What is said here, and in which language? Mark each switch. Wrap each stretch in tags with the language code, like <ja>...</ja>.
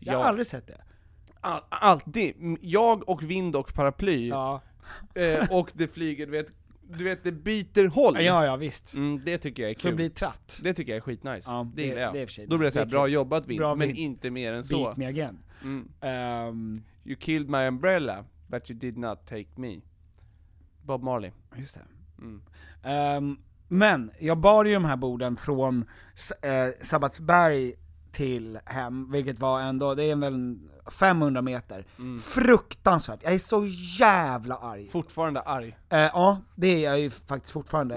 <sv>Jag har aldrig sett det. Alltid. Jag och vind och paraply. Ja. Och det flyger, du vet, det byter håll. Ja, visst. Mm, det tycker jag är kul. Så blir tratt. Det tycker jag är skitnice. Ja, det är för sig. Då blir det så här, bra jobbat vind, bra men vind. Inte mer än så.</sv> <en>Beat me again. Mm. You killed my umbrella, but you did not take me.</en> <sv>Bob Marley. Just det. Mm. Men jag bar ju de här borden från Sabbatsberg till hem, vilket var ändå, det är väl 500 meter. Mm. Fruktansvärt. Jag är så jävla arg. Fortfarande arg. Ja, det är jag ju faktiskt fortfarande.</sv>